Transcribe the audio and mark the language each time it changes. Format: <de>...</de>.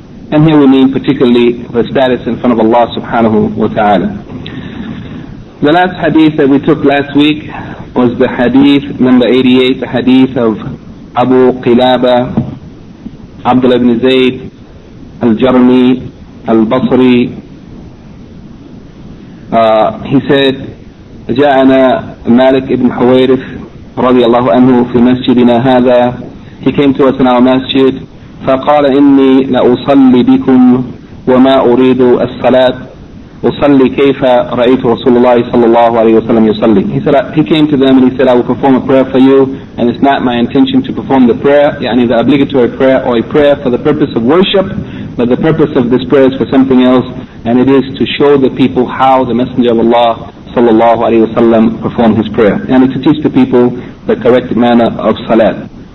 <en>And here we mean particularly the status in front of Allah subhanahu wa ta'ala. The last hadith that we took last week was the hadith number 88, the hadith of Abu Qilaba, Abdullah ibn Zayd, Al-Jarmi, Al-Basri. He said,</en> <ar>جاءنا مالك ابن حويرث رضي الله عنه في مسجدنا هذا.</ar> <en>He came to us in our masjid.</en> <ar>فقال إني لأصلي بكم وما أريد الصلاة. أصلي كيف رأيت رسول الله صلى الله عليه وسلم يصلي.</ar> <en>He came to them and he said, I will perform a prayer for you, and it's not my intention to perform the prayer, يعني the obligatory prayer or a prayer for the purpose of worship, but the purpose of this prayer is for something else, and it is to show the people how the Messenger of Allah sallallahu alayhi wa sallam performed his prayer, and to teach the people the correct manner of salat.</en>